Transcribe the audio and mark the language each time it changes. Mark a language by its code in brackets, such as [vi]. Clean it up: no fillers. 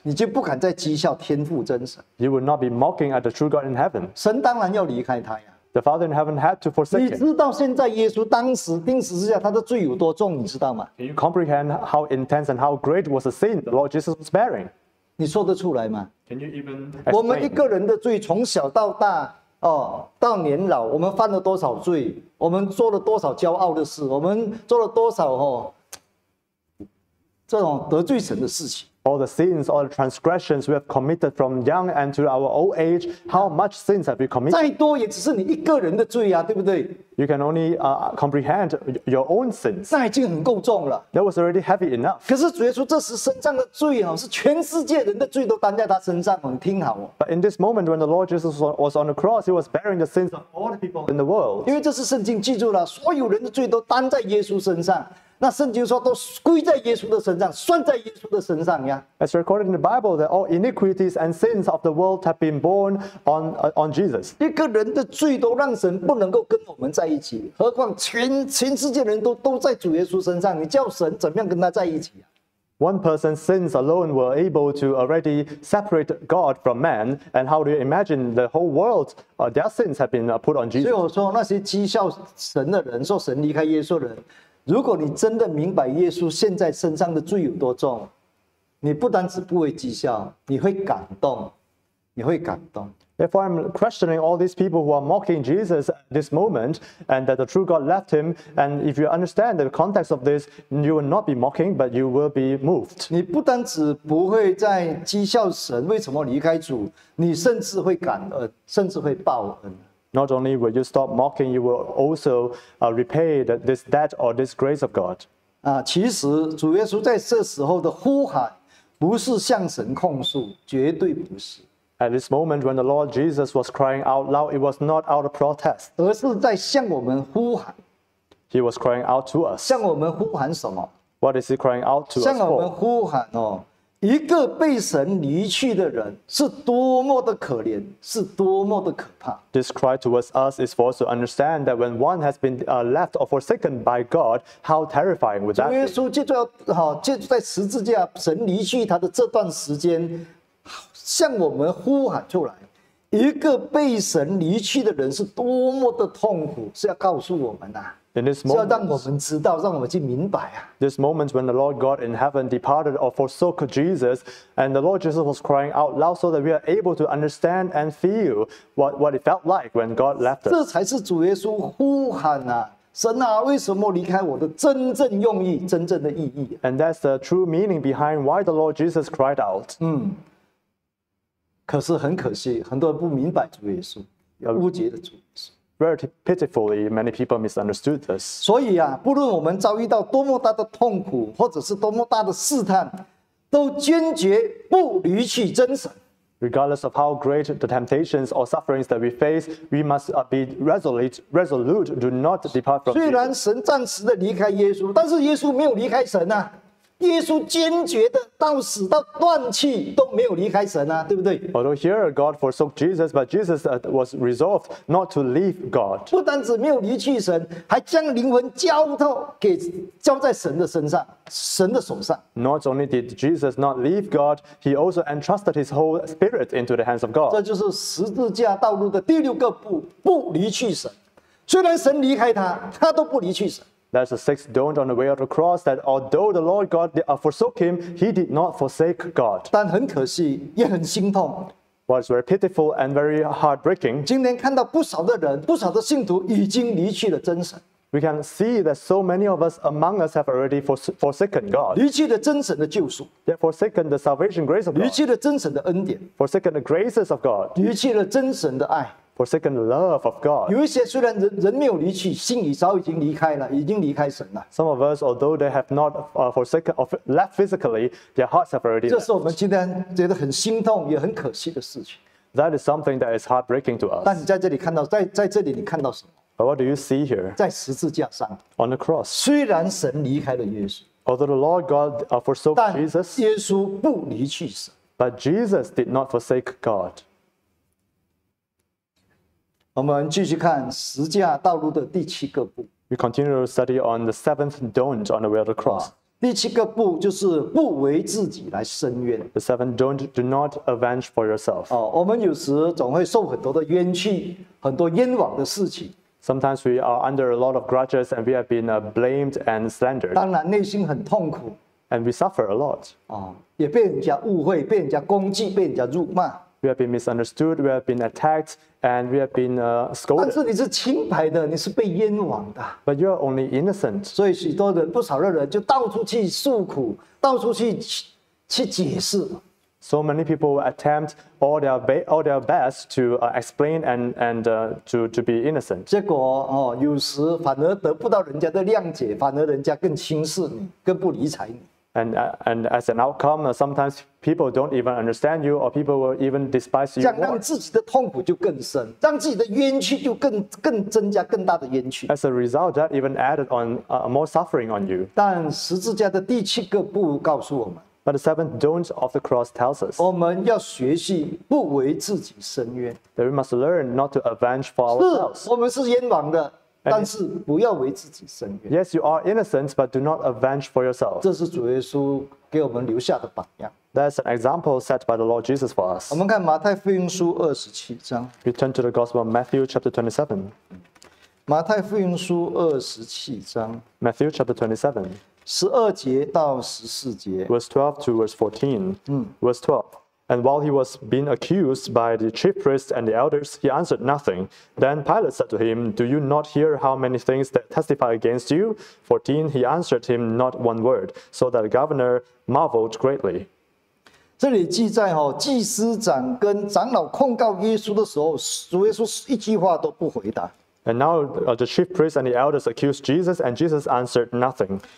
[zh] 你就不敢再讥笑天父真神。 [en] You would not be mocking at the true God in heaven. [zh] 神当然要离开他呀。 [en] The Father in heaven had to forsake him. [zh] 你知道现在耶稣当时钉十字架他的罪有多重，你知道吗 [en] ？Can you comprehend how intense and how great was the sin the Lord Jesus was bearing? [zh] 你说得出来吗？ [en] Can you even explain? [zh] 我们一个人的罪从小到大、哦、到年老我们犯了多少罪我们做了多少骄傲的事我们做了多少、哦、这种得罪神的事情 [en] All the sins, all the transgressions we have committed from young and to our old age How much sins have you committed? [zh] 再多也只是你一个人的罪啊对不对 [en] You can only comprehend your own sins [zh] 那已经很够重了 [en] That was already heavy enough [zh] 可是主耶稣这时身上的罪、哦、是全世界人的罪都担在他身上你听好、哦、 [en] But in this moment when the Lord Jesus was on the cross He was bearing the sins of all the people in the world [zh] 因为这是圣经记住了所有人的罪都担在耶稣身上那圣经说都归在耶稣的身上算在耶稣的身上呀 [en] As recorded in the Bible that all iniquities and sins of the world have been borne on Jesus [zh] 一个人的罪都让神不能够跟我们在一起何况 全世界人 都在主耶稣身上你叫神怎么样跟他在一起、啊、 [en] One person's sins alone were able to already separate God from man and how do you imagine the whole world their sins have been put on Jesus [zh] 所以我说那些讥笑神的人说神离开耶稣的人如果你真的明白耶稣现在身上的罪有多重，你不单只不会讥笑，你会感动，你会感动。 [en] If I'm questioning all these people who are mocking Jesus at this moment, and that the true God left him, and if you understand the context of this, you will not be mocking, but you will be moved. [zh] 你不单只不会再讥笑神为什么离开主，你甚至会感恩，甚至会报恩。 [en] Not only will you stop mocking, you will also repay this debt or this grace of God. [zh] 其实主耶稣在这时候的呼喊不是向神控诉，绝对不是。 [en] At this moment when the Lord Jesus was crying out loud, it was not out of protest. [zh] 而是在向我们呼喊。 [en] He was crying out to us. [zh] 向我们呼喊什么？ [en] What is he crying out to us for? [zh] 向我们呼喊哦，一个被神离去的人是多么的可怜，是多么的可怕。 [en] This cry towards us is for us to understand that when one has been left or forsaken by God, how terrifying would that be? [zh] 主耶稣就在十字架，神离去他的这段时间，向我们呼喊出来，一个被神离去的人是多么的痛苦，是要告诉我们啊。 [en] In this moment, [zh] 是要让我们知道，让我们去明白啊。 [en] This moment when the Lord God in heaven departed or forsook Jesus, and the Lord Jesus was crying out loud so that we are able to understand and feel what it felt like when God left us. [zh] 这才是主耶稣呼喊啊。神啊，为什么离开我的真正用意，真正的意义。 [en] And that's the true meaning behind why the Lord Jesus cried out. [zh] 可是很可惜，很多人不明白主耶稣，误解了主耶稣。 [en] Very pitifully, many people misunderstood this. [zh] 所以啊，不论我们遭遇到多么大的痛苦，或者是多么大的试探，都坚决不离弃真神。 [en] Regardless of how great the temptations or sufferings that we face, we must be resolute, do not depart from. [zh] 虽然神暂时的离开耶稣，但是耶稣没有离开神啊。耶稣坚决的到死到断气都没有离开神啊，对不对？ [en] Although here God forsook Jesus, but Jesus was resolved not to leave God. [zh] 不单只没有离去神，还将灵魂交在神的身上，神的手上。 [en] Not only did Jesus not leave God, he also entrusted his whole spirit into the hands of God. [zh] 这就是十字架道路的第六个步，不离去神。虽然神离开他，他都不离去神。 [en] That's the sixth don't on the way of the cross, that although the Lord God forsook him, he did not forsake God. [zh] 但很可惜，也很心痛。 [en] What is very pitiful and very heartbreaking. [zh] 今天看到不少的人，不少的信徒已经离去了真神。 [en] We can see that so many of us among us have already forsaken God. [zh] 离去了真神的救赎。 [en] They've forsaken the salvation grace of God. [zh] 离去了真神的恩典。 [en] Forsaken the graces of God. [zh] 离去了真神的爱。 [en] Forsaken the love of God. [zh] 有一些虽然 人没有离去，心里早已经离开了，已经离开神了。 [en] Some of us, although they have not forsaken or left physically, their hearts have already. [zh] 这是我们今天觉得很心痛也很可惜的事情。 [en] That is something that is heartbreaking to us. [zh] 但你在这里看到，在这里你看到什么？ [en] But what do you see here? [zh] 在十字架上。 [en] On the cross. [zh] 虽然神离开了耶稣。 [en] Although the Lord God forsook Jesus. [zh] 但耶稣不离去神。 [en] But Jesus did not forsake God. [zh] 我们继续看十架道路的第七个步。 [en] We continue to study on the seventh don't on the way of the cross. [zh] 第七个步就是不为自己来伸冤。 [en] The seventh don't, do not avenge for yourself. [zh] 我们有时总会受很多的冤屈，很多冤枉的事情。 [en] Sometimes we are under a lot of grudges and we have been blamed and slandered. [zh] 当然内心很痛苦。 [en] And we suffer a lot. [zh] 也被人家误会，被人家攻击，被人家辱骂。 [en] We have been misunderstood, we have been attacked, and we have been scolded. [zh] 但是你是清白的，你是被冤枉的。 [en] But you are only innocent. [zh] 所以许多人，不少的人就到处去诉苦，到处去解释。 [en] So many people attempt all their best to explain and to be innocent. [zh] 结果有时反而得不到人家的谅解，反而人家更轻视你，更不理睬你。 [en] And as an outcome, sometimes people don't even understand you, or people will even despise you. [zh] 这样让自己的痛苦就更深，让自己的冤屈就更增加更大的冤屈。 [en] As a result, that even added on more suffering on you. [zh] 但十字架的第七个步告诉我们。 [en] But the seventh don't of the cross tells us. [zh] 我们要学习不为自己伸冤。 [en] That we must learn not to avenge for ourselves. [zh] 是，我们是冤枉的。但是不要为自己伸冤。 [en] Yes, you are innocent, but do not avenge for yourself. [zh] 这是主耶稣给我们留下的榜样。 [en] That's an example set by the Lord Jesus for us. [zh] 我们看马太福音书二十七章。 [en] We turn to the Gospel of Matthew chapter 27. [zh] 马太福音书二十七章。 [en] Matthew chapter 27. [zh] 十二节到十四节。 [en] Verse 12 to verse 14. Verse 12. And while he was being accused by the chief priests and the elders, he answered nothing. Then Pilate said to him, Do you not hear how many things that testify against you? 14, he answered him not one word, so that the governor marveled greatly. [zh] 这里记载，祭司长跟长老控告耶稣的时候，主耶稣一句话都不回答。 [en] And now the chief priests and the elders accused Jesus, and Jesus answered nothing.